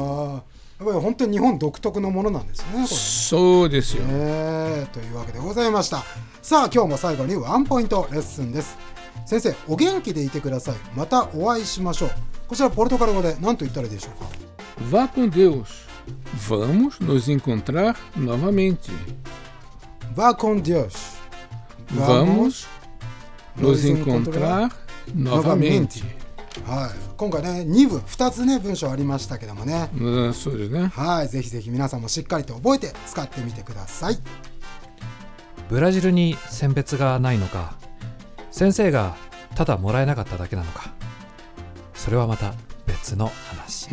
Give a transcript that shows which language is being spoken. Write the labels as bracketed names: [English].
[Japanese] やっぱり本当に日本独特のものなんですね、これ。そうですよ、というわけでございました。さあ今日も最後にワンポイントレッスンです。先生お元気でいてください、またお会いしましょう。こちらポルトガル語で何と言ったらいいでしょうか。 [Portuguese] Vá com Deus. Vamos nos encontrar novamente. Vá com Deus. Vamos nos encontrar novamente. [Japanese] はい、今回ね2部2つね文章ありましたけどもね、うん、そうですね、はい、ぜひぜひ皆さんもしっかりと覚えて使ってみてください。ブラジルに選別がないのか、先生がただもらえなかっただけなのか、それはまた別の話。